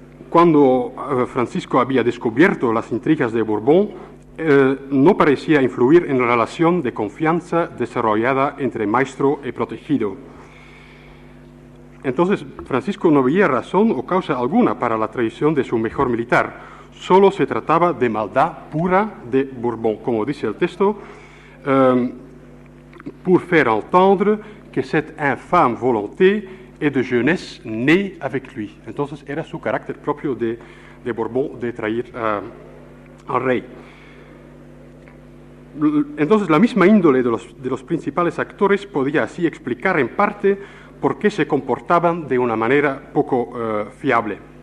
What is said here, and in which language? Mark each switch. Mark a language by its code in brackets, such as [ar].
[es] Cuando Francisco había descubierto las intrigas de Borbón, no parecía influir en la relación de confianza desarrollada entre maestro y protegido. Entonces, Francisco no veía razón o causa alguna para la traición de su mejor militar. Solo se trataba de maldad pura de Borbón, como dice el texto. [fr] «Pour faire entendre que cette infâme volonté est de jeunesse née avec lui». [es] Entonces, era su carácter propio de Borbón de traer al rey. Entonces, la misma índole de los principales actores podía así explicar en parte por qué se comportaban de una manera poco fiable.